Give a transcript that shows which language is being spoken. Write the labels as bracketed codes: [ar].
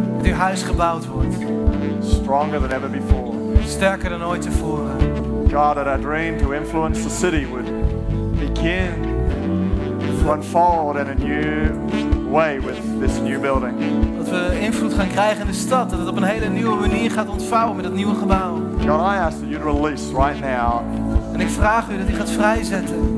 [nl] Dat uw huis gebouwd wordt. [en] Stronger than ever before. [nl] Sterker dan ooit tevoren. [en] God, that our dream to influence the city would begin to unfold in a new way with this new building. [nl] Dat we invloed gaan krijgen in de stad, dat het op een hele nieuwe manier gaat ontvouwen met dat nieuwe gebouw. [en] God, I ask that you release right now. [nl] En ik vraag u dat u gaat vrijzetten.